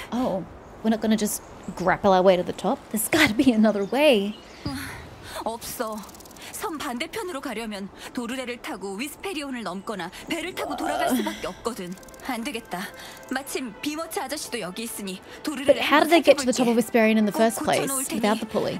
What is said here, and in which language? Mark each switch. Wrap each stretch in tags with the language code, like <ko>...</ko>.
<en>Oh, we're not gonna just grapple our way to the top. There's gotta be another way.</en> <ko>없어. 섬 반대편으로 가려면 도르래를 타고 위스페리온을 넘거나 배를 타고 돌아갈 수밖에 없거든. 안 되겠다. 마침 비머치 아저씨도 여기 있으니 도르래를.</ko> <en>But how did they get to the top of Whisperion in the first place without the pulley?</en>